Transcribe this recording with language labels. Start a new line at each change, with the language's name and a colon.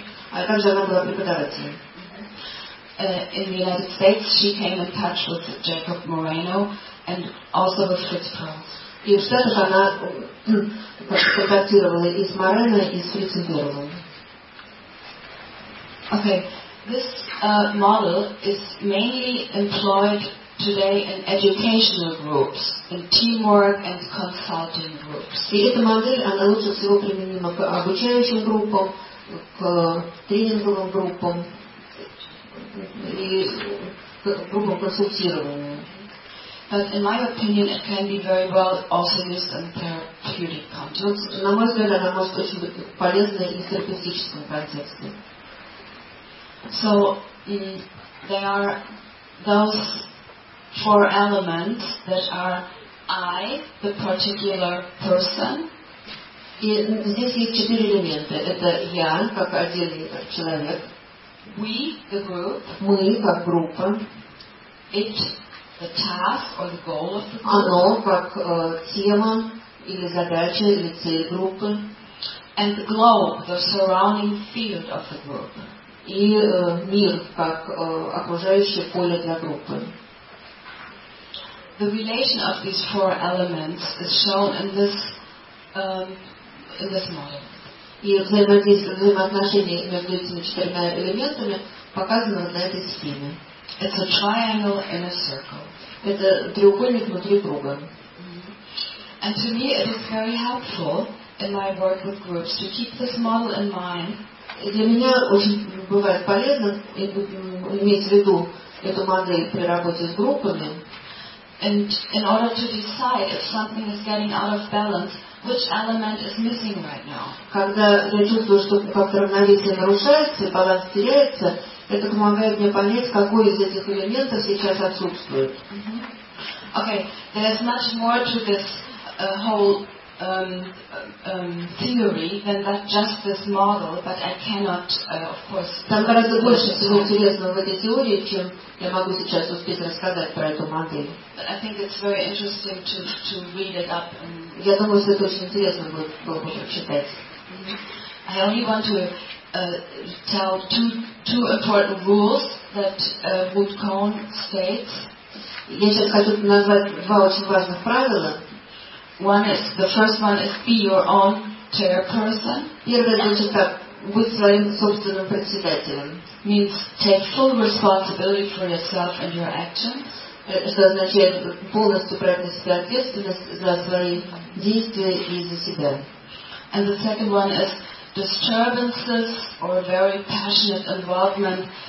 Russian: А также она была преподавателем.
English: In the United States she came in touch with Jacob Moreno and also with Fritz Perls.
Russian: И в Штатах она контактировала и с Морено, и с Фрицем Перлом.
English: Okay. This model is mainly employed today in educational groups, in teamwork and consulting groups.
Russian: И эта модель, она лучше всего применима к обучающим группам, к тренинговым группам и к группам консультирования.
English: But in my opinion, it can be very well also used in therapeutic context.
Russian: На мой взгляд, она может очень быть полезной и в терапевтическом контексте.
English: So there are those four elements that are I, the particular person.
Russian: И здесь есть четыре элемента. Это я, как отдельный человек.
English: We, the group.
Russian: Мы, как группа.
English: It, the task or the goal of the group.
Russian: Оно, как тема или задача или цель группы.
English: And the globe, the surrounding field of the group.
Russian: И мир как окружающее поле для группы.
English: The relation of these four elements is shown in this model.
Russian: И взаимоотношения между этими четырьмя элементами показаны на этой схеме.
English: It's a triangle in a circle.
Russian: Это треугольник внутри круга.
English: And to me it is very helpful in my work with groups to keep this model in mind.
Russian: Для меня очень бывает полезно иметь в виду эту модель при работе с группами.
English: And in order to decide if something is getting out of balance, which element is missing right now?
Russian: Когда я чувствую, что как-то равновесие нарушается, баланс теряется, это помогает мне понять, какой из этих элементов сейчас отсутствует.
English: Okay, there's much more to this whole theory than that just this model, but I cannot, of course.
Russian: Там гораздо больше всего интересного в этой теории, чем я могу сейчас успеть рассказать про эту модель.
English: But I think it's very interesting to read it up.
Russian: Я думаю, что это очень интересно было бы прочитать.
English: I only want to tell two important rules that Woodcomb states.
Russian: Я сейчас хочу назвать два очень важных правила.
English: The first one is be your own chairperson.
Russian: Первое значит так, быть своим собственным председателем.
English: Means take full responsibility for yourself and your actions.
Russian: Это означает полностью брать на себя ответственность за свои действия и за себя.
English: And the second one is disturbances or very passionate involvement.